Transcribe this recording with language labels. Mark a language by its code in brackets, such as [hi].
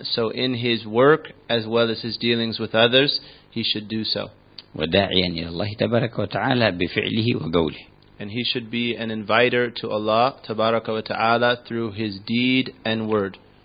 [en] So in his work as well as his dealings with others, he should do so. [ar] وداعياً إلى الله تبارك وتعالى بفعله وقوله. [en] And he should be an inviter to Allah [ar] تبارك وتعالى [en] through his deed and word.